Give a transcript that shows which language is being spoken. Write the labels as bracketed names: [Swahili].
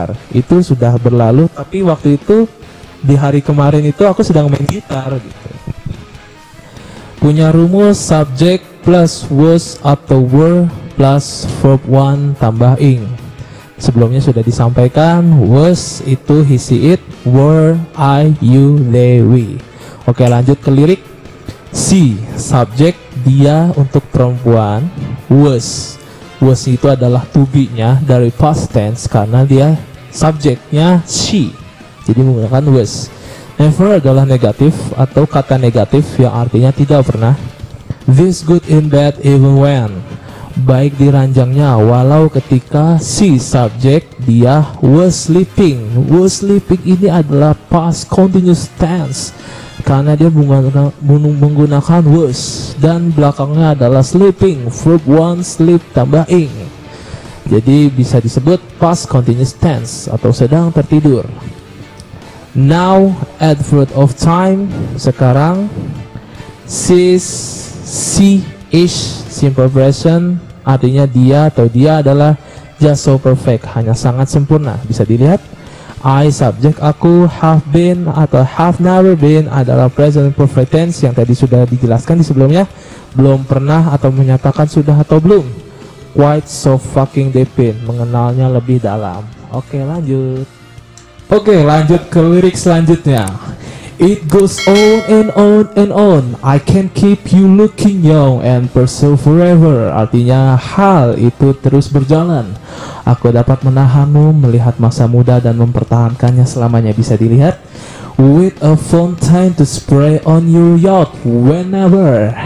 [Indonesian] Itu sudah berlalu, tapi waktu itu di hari kemarin itu aku sedang main gitar gitu. Punya rumus subject plus was atau were plus verb one tambah ing. Sebelumnya sudah disampaikan, was itu he, she, it, were, I, you, they, we. Oke, lanjut ke lirik. She, subject, dia untuk perempuan. Was, was itu adalah to be-nya dari past tense karena dia subject-nya she. Jadi menggunakan was. Never adalah negatif atau kata negatif yang artinya tidak pernah. [English] This good in bad even when. [Indonesian] Baik di ranjangnya, walau ketika si subject dia was sleeping. Was sleeping ini adalah past continuous tense karena dia menggunakan was dan belakangnya adalah sleeping, verb one sleep tambah ing. Jadi bisa disebut past continuous tense atau sedang tertidur. Now adverb of time, sekarang she's, she is simple version. Artinya dia atau dia adalah [English] just so perfect, [Indonesian] hanya sangat sempurna. Bisa dilihat, I subject aku, have been atau have never been adalah present perfect tense yang tadi sudah dijelaskan di sebelumnya. Belum pernah atau menyatakan sudah atau belum. [English] Quite so fucking deep in, [Indonesian] mengenalnya lebih dalam. Oke, lanjut. Oke, lanjut ke lirik selanjutnya. [English] It goes on and on and on. I can keep you looking young and pursue forever. [Indonesian] Artinya hal itu terus berjalan. Aku dapat menahanmu, melihat masa muda dan mempertahankannya selamanya. Bisa dilihat, [English] with a fountain to spray on your yacht whenever.